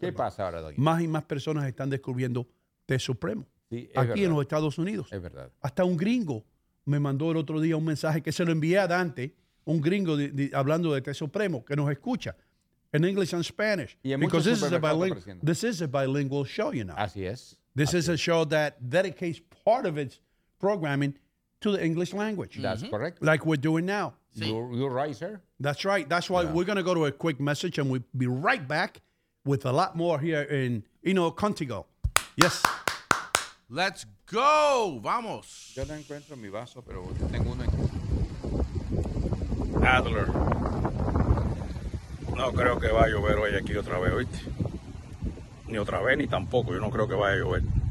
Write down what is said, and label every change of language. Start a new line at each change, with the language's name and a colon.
Spanish: ¿Qué pasa ahora, doña? Más y más personas están descubriendo té supremo. Sí, aquí verdad. En los Estados Unidos. Es verdad. Hasta un gringo me mandó el otro día un mensaje que se lo envié a Dante, un gringo hablando de té supremo, que nos escucha. En inglés y en español.
English: Because this is a bilingual show, you know.
Spanish: Así es.
English: This is a show that dedicates part of its programming to the English language. That's correct. Like we're doing now. Sí. You're right, sir. That's right. That's why we're going to go to a quick message and we'll be right back with a lot more here in, you know, Contigo. Yes. Let's go. Vamos.
Spanish: Yo no encuentro mi vaso, pero yo tengo uno aquí. Adler. No creo que vaya a llover hoy aquí otra vez, ¿oíste? Ni otra vez, ni tampoco. Yo no creo que vaya a llover.